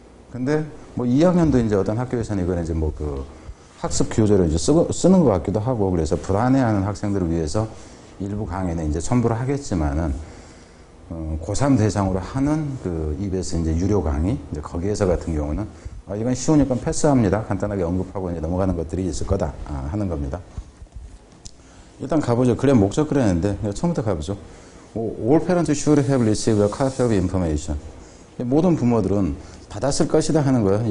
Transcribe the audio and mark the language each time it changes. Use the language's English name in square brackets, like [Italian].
[Korean] 근데 뭐 2학년도 이제 어떤 학교에서는 이거는 이제 뭐그 학습 교재로 이제 쓰는 것 같기도 하고, 그래서 불안해하는 학생들을 위해서 일부 강의는 이제 첨부를 하겠지만은, 고3 대상으로 하는 그 EBS 이제 유료 강의, 이제 거기에서 같은 경우는 이건 쉬우니까 패스합니다. 간단하게 언급하고 이제 넘어가는 것들이 있을 거다 하는 겁니다. 일단 가보죠. 그래 목적 그랬는데 처음부터 가보죠. [English] All parents should have received a copy of information. [Korean] 모든 부모들은 받았을 것이다 하는 거예요.